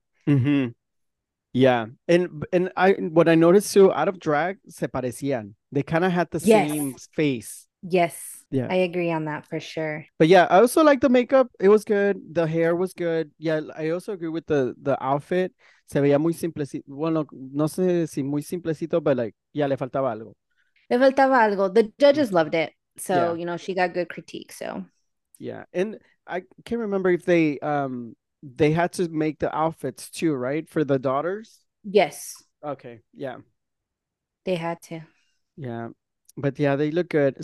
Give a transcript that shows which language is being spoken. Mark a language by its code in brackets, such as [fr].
[en] Yeah. And I, what I noticed too, out of drag, [es] se parecían. [en] They kind of had the same face. Yes. Yeah. I agree on that for sure. But yeah, I also like the makeup. It was good. The hair was good. Yeah, I also agree with the outfit. [es] Se veía muy simplecito. Bueno, no sé si muy simplecito, [en] but like, yeah, [es] le faltaba algo. Le faltaba algo. [en] The judges loved it. So, yeah. You know, she got good critique, so. Yeah. And I can't remember if they had to make the outfits too, right? For the daughters? Yes. Okay, yeah. They had to. Yeah. But yeah, they look good.